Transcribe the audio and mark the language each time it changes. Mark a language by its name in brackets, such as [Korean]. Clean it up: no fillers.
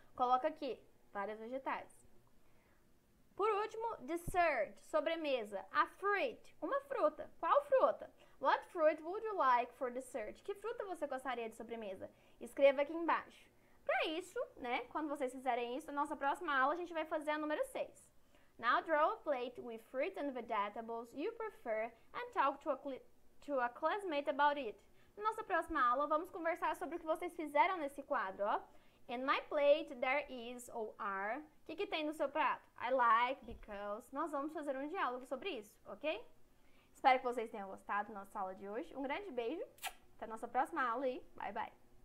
[Portuguese] Coloca aqui, vários vegetais. Por último, dessert, sobremesa. [English] A fruit, [Portuguese] uma fruta. Qual fruta? [English] What fruit would you like for dessert? [Portuguese] Que fruta você gostaria de sobremesa? Escreva aqui embaixo. Para isso, né, quando vocês fizerem isso, na nossa próxima aula a gente vai fazer a número 6. [English] Now draw a plate with fruit and vegetables you prefer and talk to a classmate about it. [Portuguese] Na nossa próxima aula vamos conversar sobre o que vocês fizeram nesse quadro, ó. [English] In my plate, there is or are. [Portuguese] O que tem no seu prato? [English] I like, because. [Portuguese] Nós vamos fazer um diálogo sobre isso, ok? Espero que vocês tenham gostado da nossa aula de hoje. Um grande beijo. Até a nossa próxima aula e bye bye.